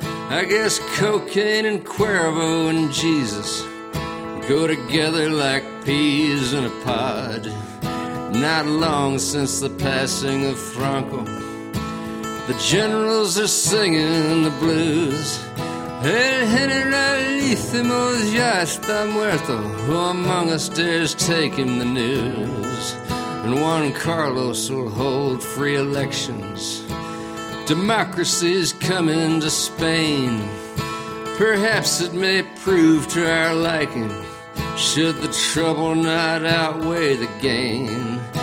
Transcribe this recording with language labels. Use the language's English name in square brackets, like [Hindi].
[English] I guess cocaine and Cuervo and Jesus go together like peas in a pod. Not long since the passing of Franco, the generals are singing the blues. [Spanish] El generalísimo ya está muerto. [English] Who among us dares take him the news? And Juan Carlos will hold free elections. Democracy's coming to Spain. Perhaps it may prove to our liking, should the trouble not outweigh the gain.